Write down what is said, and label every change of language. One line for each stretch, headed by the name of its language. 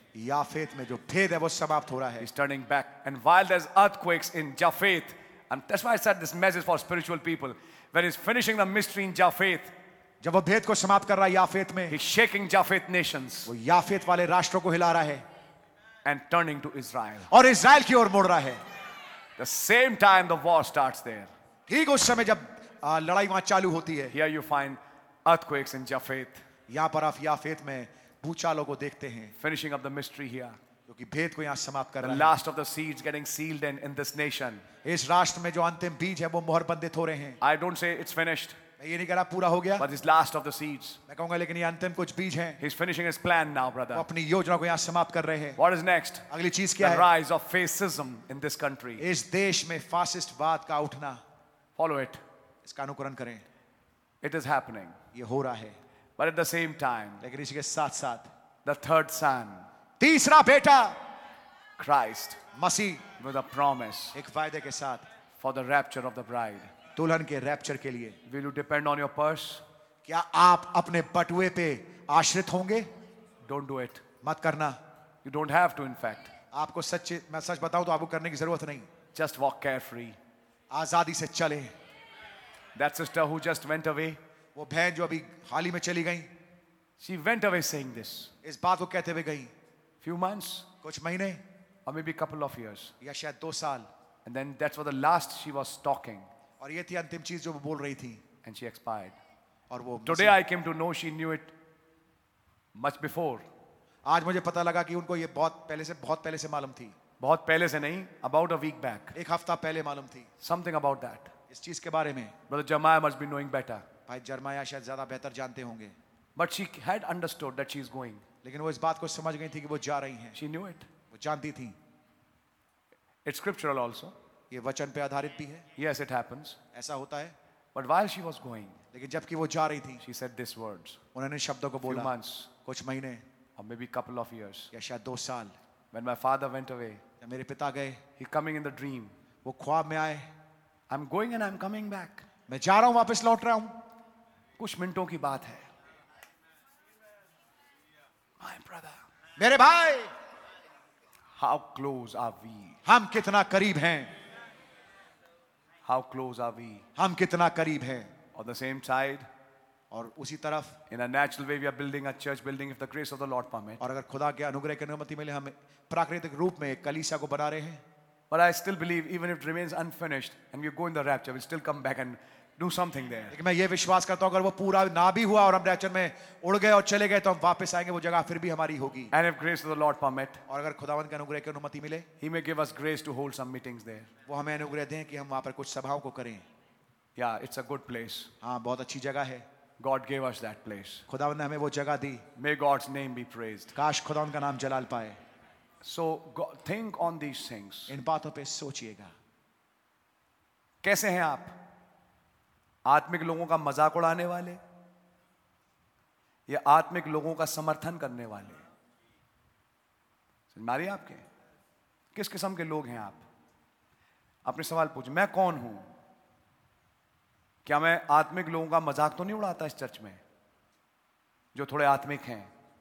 Hindi: याफेत में जो भेद है वो समाप्त हो रहा है.
English: He's turning back. And while there's earthquakes in Japheth, and that's why I said this message for spiritual people, when he's finishing the mystery in Japheth,
Hindi: जब वो भेद को समाप्त कर रहा है याफेत में,
English: he's shaking Japheth nations.
Hindi: वो याफेत वाले राष्ट्रों को हिला रहा है.
English: And turning to Israel.
Hindi: और इज़राइल की ओर मुड़ रहा है.
English: The same time the war starts there.
Hindi: ठीक उस समय जब लड़ाई वहां चालू होती है.
English: Here you find earthquakes in Japheth.
Hindi: यहाँ पर आप याफेत में भूचालों को देखते हैं.
English: Finishing up the mystery here.
Hindi: क्योंकि भेद को यहाँ समाप्त कर रहा है.
English: Last of the seeds getting sealed in this nation.
Hindi: इस राष्ट्र में जो अंतिम बीज है वो मोहर बंधित हो रहे हैं.
English: I don't say it's finished.
Hindi: मैं ये नहीं कह रहा पूरा हो गया.
English: But it's last of the seeds.
Hindi: मैं कहूँगा लेकिन ये अंतिम कुछ बीज हैं.
English: He's finishing his plan now, brother.
Hindi: वो अपनी योजना को यहाँ समाप्त कर रहे हैं.
English: What is next?
Hindi: अगली चीज क्या है?
English: The rise of fascism in this country.
Hindi: इस देश में फासिस्टवाद का उठना.
English: Follow it.
Hindi: इसका अनुकरण करें.
English: It is happening.
Hindi: ये हो रहा है.
English: But at the same time,
Hindi: लेकिन इसके साथ साथ,
English: the third son,
Hindi: तीसरा बेटा,
English: Christ,
Hindi: Masih,
English: with a promise,
Hindi: एक वायदे के साथ,
English: for the rapture of the bride,
Hindi: दुल्हन के रैप्चर के लिए,
English: will you depend on your purse?
Hindi: क्या आप अपने बटुए पे आश्रित होंगे?
English: Don't do it.
Hindi: मत करना.
English: You don't have to, in fact.
Hindi: आपको सच मैं सच बताऊं तो आपको करने की जरूरत नहीं.
English: Just walk carefree.
Hindi: आजादी से चले.
English: That sister who just went away.
Hindi: वो बहन जो अभी हाल ही में चली गई.
English: She went away saying this.
Hindi: इस बात को कहते हुए गई.
English: Few months.
Hindi: कुछ महीने.
English: Or maybe a couple of years.
Hindi: या शायद दो साल.
English: And then that's what the last she was talking.
Hindi: और ये थी अंतिम चीज जो वो बोल रही थी.
English: And she expired.
Hindi: और वो.
English: Today I came to know she knew it much before.
Hindi: आज मुझे पता लगा कि उनको ये बहुत पहले से मालूम थी. बहुत पहले से नहीं.
English: About a week back.
Hindi: एक हफ्ता पहले मालूम थी.
English: Something about that.
Hindi: इस चीज के बारे में.
English: Brother Jeremiah must be knowing better.
Hindi: भाई जर्माया शायद ज़्यादा बेहतर जानते होंगे.
English: But she had understood that she is going.
Hindi: लेकिन वो इस बात को समझ गई थी कि वो जा रही हैं.
English: She knew it.
Hindi: वो जानती थी.
English: It's scriptural also.
Hindi: ये वचन पे आधारित भी है.
English: Yes, it happens.
Hindi: ऐसा होता है.
English: But while she was going.
Hindi: लेकिन जबकि वो जा रही थी.
English: She said these words.
Hindi: उन्होंने शब्दों को बोला.
English: Few months.
Hindi: कुछ महीने.
English: Or maybe a couple of years.
Hindi: या शायद दो साल.
English: When my father went away.
Hindi: जब मेरे पिता गए.
English: He coming in the dream.
Hindi: वो ख्वाब में आए.
English: I'm going and I'm coming back.
Hindi: मैं जा रहा हूँ वापस लौट रहा हूँ. कुछ मिनटों की बात है.
English: My brother,
Hindi: मेरे भाई,
English: how close are we?
Hindi: हम कितना करीब हैं?
English: How close are we?
Hindi: हम कितना करीब हैं?
English: On the same side,
Hindi: और उसी तरफ,
English: in a natural way we are building a church building if the grace of the Lord permits.
Hindi: और अगर खुदा के अनुग्रह की अनुमति मिले हम प्राकृतिक रूप में एक कलीसिया को बना रहे हैं.
English: But I still believe even if it remains unfinished and we go in the rapture, we'll still come back and do something there.
Hindi: लेकिन मैं ये विश्वास करता हूँ अगर वो पूरा ना भी हुआ और हम रैचर में उड़ गए और चले गए तो हम वापस आएंगे वो जगह फिर भी हमारी होगी.
English: And if grace of the Lord permit,
Hindi: और अगर खुदावंत के अनुग्रह की अनुमति मिले,
English: He may give us grace to hold some meetings there.
Hindi: वो हमें अनुग्रह दें कि हम वहाँ पर कुछ सभाओं को करें.
English: Yeah, it's a good place.
Hindi: हाँ, बहुत अच्छी जगह है.
English: God gave us that place.
Hindi: खुदावंत ने हमें वो जगह दी.
English: May God's name be praised.
Hindi: काश खुदावंत का नाम जलाल पाए.
English: So think on these things.
Hindi: इन बातों पे सोचिएगा. कैसे हैं आप? आत्मिक लोगों का मजाक उड़ाने वाले या आत्मिक लोगों का समर्थन करने वाले? समझ मारी आपके? किस किस्म के लोग हैं आप? अपने सवाल पूछ, मैं कौन हूं? क्या मैं आत्मिक लोगों का मजाक तो नहीं उड़ाता इस चर्च में जो थोड़े आत्मिक हैं?